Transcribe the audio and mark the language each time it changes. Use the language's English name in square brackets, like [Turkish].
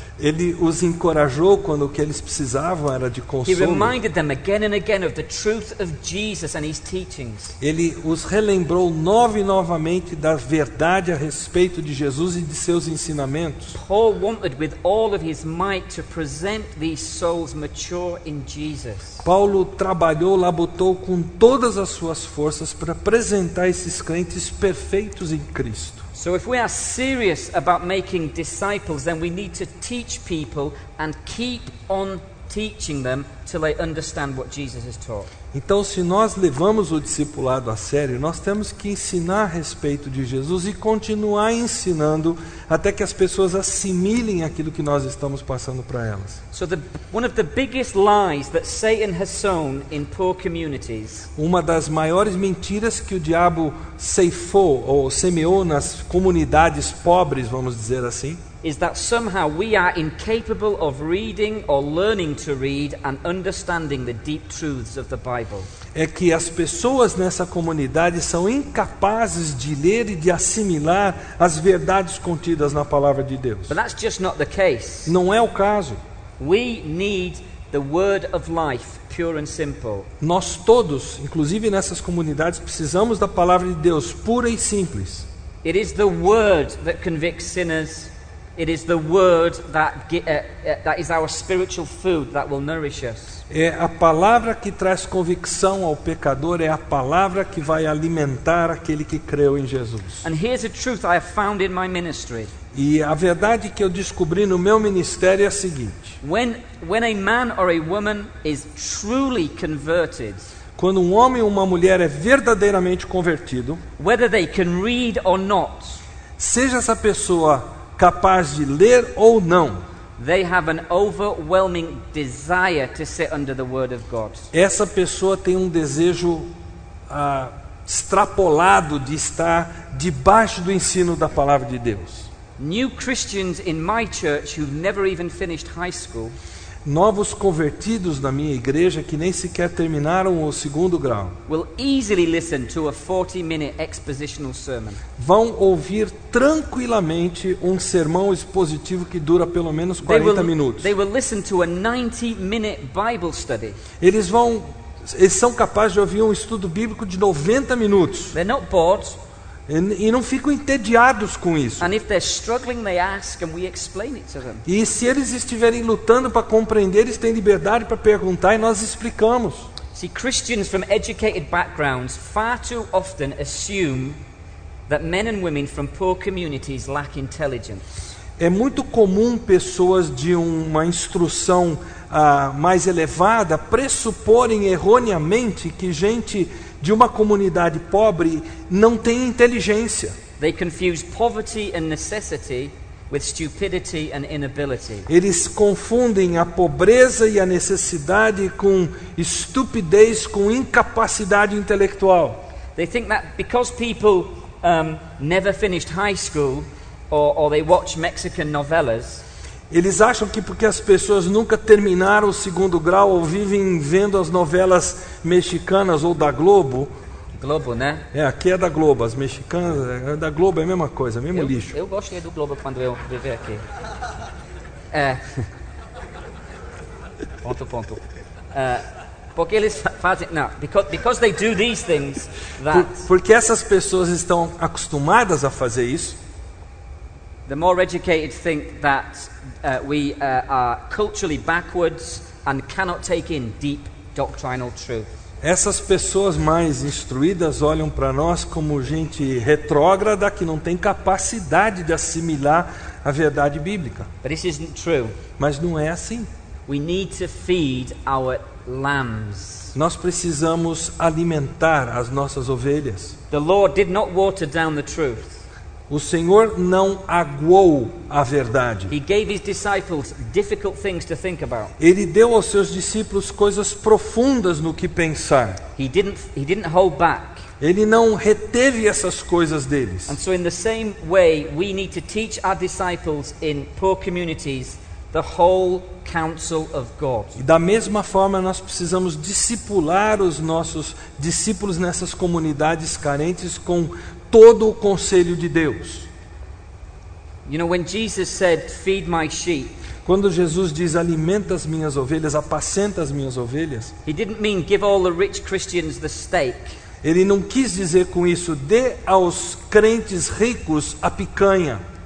[Portuguese] Ele os encorajou quando o que eles precisavam era de consolo. [English] He reminded them again and again of the truth of Jesus and his teachings. [Portuguese] Ele os relembrou novamente da verdade a respeito de Jesus e de seus ensinamentos. [English] Paul wanted with all of his might to present these souls mature in Jesus. [Portuguese] Paulo trabalhou, labutou com todas as suas forças para apresentar esses crentes perfeitos em Cristo. [English] So if we are serious about making disciples, then we need to teach people and keep on teaching them till they understand what Jesus has taught. [Portuguese] Então, se nós levamos o discipulado a sério, nós temos que ensinar a respeito de Jesus e continuar ensinando até que as pessoas assimilem aquilo que nós estamos passando para elas. [English] So one of the biggest lies that Satan has sown in poor communities. [Portuguese] Uma das maiores mentiras que o diabo ceifou ou semeou nas comunidades pobres, vamos dizer assim, [English] is that somehow we are incapable of reading or learning to read and understanding the deep truths of the Bible. [Portuguese] É que as pessoas nessa comunidade são incapazes de ler e de assimilar as verdades contidas na palavra de Deus. [English] But that's just not the case. [Portuguese] Não é o caso. [English] We need the word of life, pure and simple. [Portuguese] Nós todos, inclusive nessas comunidades, precisamos da palavra de Deus pura e simples. [English] It is the word that convicts sinners. It is the word that that is our spiritual food that will nourish us. [Portuguese] É a palavra que traz convicção ao pecador, é a palavra que vai alimentar aquele que creu em Jesus. [English] And here's a truth I have found in my ministry. [Portuguese] E a verdade que eu descobri no meu ministério é a seguinte. [English] When a man or a woman is truly converted, [Portuguese] quando um homem ou uma mulher é verdadeiramente convertido, [English] whether they can read or not, [Portuguese] seja essa pessoa capaz de ler ou não. [English] They have an overwhelming desire to sit under the word of God. [Portuguese] Essa pessoa tem um desejo extrapolado de estar debaixo do ensino da palavra de Deus. [English] New Christians in my church who've never even finished high school. [Portuguese] Novos convertidos na minha igreja que nem sequer terminaram o segundo grau. [English] Will easily listen to a 40-minute expositional sermon. [Portuguese] Vão ouvir tranquilamente um sermão expositivo que dura pelo menos 40 minutos. [English] They will listen to a 90-minute Bible study. [Portuguese] Eles são capazes de ouvir um estudo bíblico de 90 minutos. [English] They're not bored. [Portuguese] E não ficam entediados com isso. [English] And if they're struggling, they ask and we explain it to them. [Portuguese] E se eles estiverem lutando para compreender, eles têm liberdade para perguntar e nós explicamos. [English] See, Christians from educated backgrounds far too often assume that men and women from poor communities lack intelligence. [Portuguese] É muito comum pessoas de uma instrução mais elevada pressuporem erroneamente que gente de uma comunidade pobre não tem inteligência. [English] They confuse poverty and necessity with stupidity and inability. [Portuguese] Eles confundem a pobreza e a necessidade com estupidez, com incapacidade intelectual. [English] They think that because people never finished high school or they watch Mexican novelas. [Portuguese] Eles acham que porque as pessoas nunca terminaram o segundo grau ou vivem vendo as novelas mexicanas ou da Globo. Globo, né? É, aqui é da Globo, as mexicanas, da Globo é a mesma coisa, mesmo lixo. Eu gostei do Globo quando eu vivi aqui. É. Ponto, ponto. Porque eles fazem, não, [English] because they do these things that... [Portuguese] Porque essas pessoas estão acostumadas a fazer isso. [English] The more educated think that are culturally backwards and cannot take in deep doctrinal truth. [Portuguese] Essas pessoas mais instruídas olham para nós como gente retrógrada que não tem capacidade de assimilar a verdade bíblica. [English] But this isn't true. [Portuguese] Mas não é assim. [English] We need to feed our lambs. [Portuguese] Nós precisamos alimentar as nossas ovelhas. [English] The Lord did not water down the truth. [Portuguese] O Senhor não aguou a verdade. [English] He gave his disciples difficult things to think about. [Portuguese] Ele deu aos seus discípulos coisas profundas no que pensar. [English] He didn't hold back. [Portuguese] Ele não reteve essas coisas deles. [English] And so in the same way we need to teach our disciples in poor communities the whole counsel of God. [Portuguese] E da mesma forma nós precisamos discipular os nossos discípulos nessas comunidades carentes com todo o conselho de Deus. [English] You know, when Jesus said, "Feed my sheep." [Portuguese] Quando Jesus diz, "Alimenta as minhas ovelhas, apascenta as minhas ovelhas." [English] He didn't mean give all the rich Christians the steak. [Portuguese] Ele não quis dizer com isso, dê aos crentes ricos a picanha.